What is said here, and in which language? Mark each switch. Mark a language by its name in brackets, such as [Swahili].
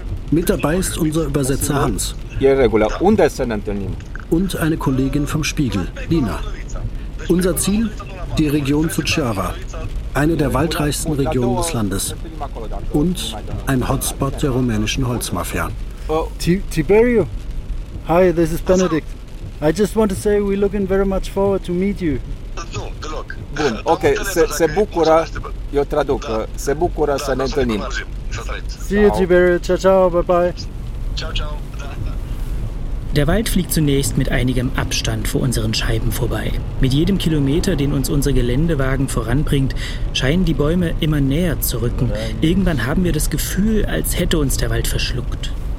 [German] Mit dabei ist unser Übersetzer Hans. Irregular und ein Unternehmen. Und eine Kollegin vom Spiegel, Lina. Unser Ziel? Die Region Suceava, eine der waldreichsten Regionen des Landes. Und ein Hotspot der rumänischen Holzmafia. [English] Tiberio, hi, this is Benedict. I just want to say we're looking very much forward to meet you. [Romanian] Bun, ok, se bucura, eu traduc, se bucura să ne întâlnim. [English] See you, Tiberio, ciao, ciao, bye-bye. Ciao, ciao. [German] Der Wald fliegt zunächst mit einigem Abstand vor unseren Scheiben vorbei. Mit jedem Kilometer, den uns unser Geländewagen voranbringt, scheinen die Bäume immer näher zu rücken. Irgendwann haben wir das Gefühl, als hätte uns der Wald verschluckt.